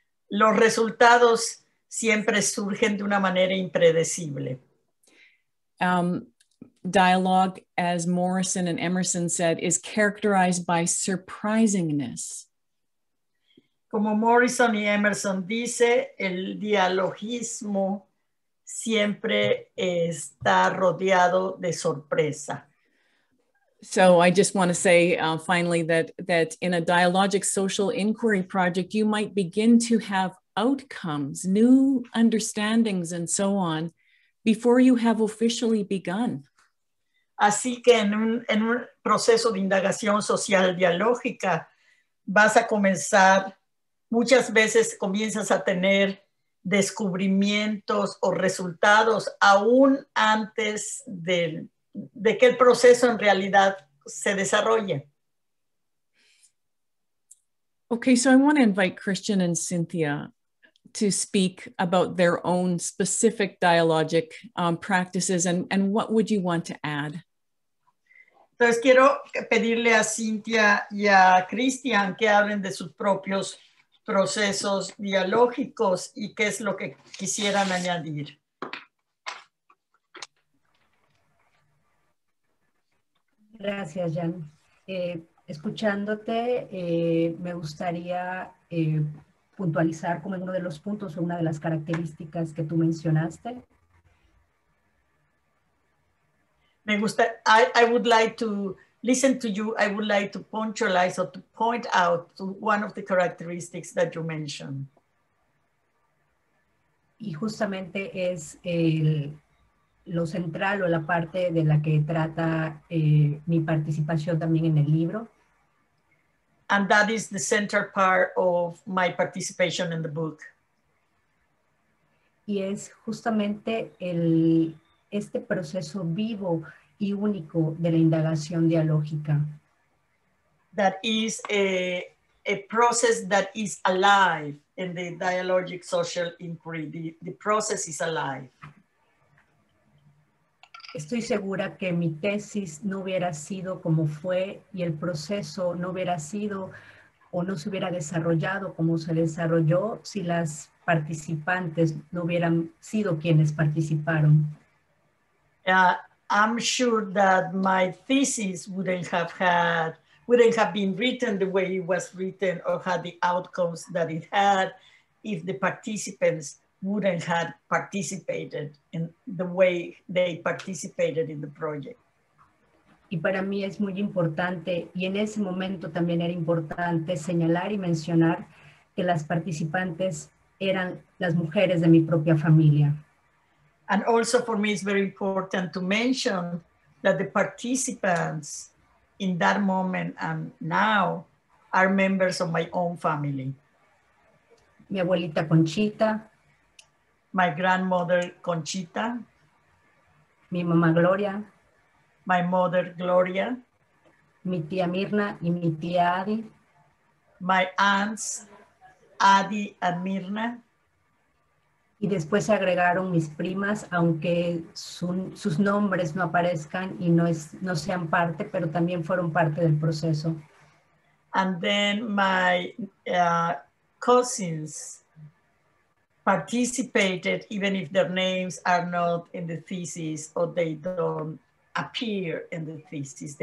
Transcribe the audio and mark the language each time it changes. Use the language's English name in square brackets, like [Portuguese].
[Spanish] Los resultados siempre surgen de una manera impredecible. [English] Dialogue, as Morrison and Emerson said, is characterized by surprisingness. [Spanish] Como Morrison y Emerson dice, el dialogismo siempre está rodeado de sorpresa. [English] So I just want to say finally that in a dialogic social inquiry project, you might begin to have outcomes, new understandings and so on before you have officially begun. [Spanish] Así que en un proceso de indagación social dialógica, vas a comenzar, muchas veces comienzas a tener descubrimientos o resultados aún antes de que el proceso en realidad se desarrolle. [English] Okay, so I want to invite Christian and Cynthia to speak about their own specific dialogic practices and what would you want to add? [Spanish] Entonces quiero pedirle a Cynthia y a Christian que hablen de sus propios procesos dialógicos y qué es lo que quisieran añadir. Gracias, Jan. Escuchándote, me gustaría puntualizar como uno de los puntos o una de las características que tú mencionaste. [English] I would like to listen to you. I would like to punctualize or to point out to one of the characteristics that you mentioned. [Spanish] Y justamente es lo central o la parte de la que trata mi participación también en el libro. [English] And that is the center part of my participation in the book. [Spanish] Y es justamente este proceso vivo y único de la indagación dialógica. [English] That is a process that is alive in the dialogic social inquiry. The process is alive. [Spanish] Estoy segura que mi tesis no hubiera sido como fue y el proceso no hubiera sido o no se hubiera desarrollado como se desarrolló si las participantes no hubieran sido quienes participaron. [English] I'm sure that my thesis wouldn't have been written the way it was written or had the outcomes that it had if the participants wouldn't have participated in the way they participated in the project. [Spanish] Y para mí es muy importante, y en ese momento también era importante señalar y mencionar que las participantes eran las mujeres de mi propia familia. [English] And also for me, it's very important to mention that the participants in that moment and now are members of my own family. [Spanish] Mi abuelita Conchita. [English] My grandmother Conchita. [Spanish] Mi mamá Gloria. [English] My mother Gloria. [Spanish] Mi tía Mirna y mi tía Adi. [English] My aunts Adi and Mirna. [Spanish] Y después se agregaron mis primas, aunque sus nombres no aparezcan y no sean parte, pero también fueron parte del proceso. [English] And then my cousins participated, even if their names are not in the thesis or they don't appear in the thesis.